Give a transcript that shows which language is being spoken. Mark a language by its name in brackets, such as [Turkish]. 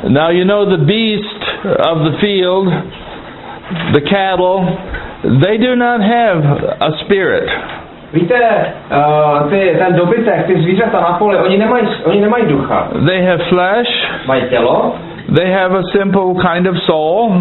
[English] Now you know the beast of the field, the cattle, they do not have a spirit. [Czech] Víte, ten dobytek, ty zvířata na poli, oni nemají ducha. [English] They have flesh. [Czech] Mají tělo. [English] They have a simple kind of soul.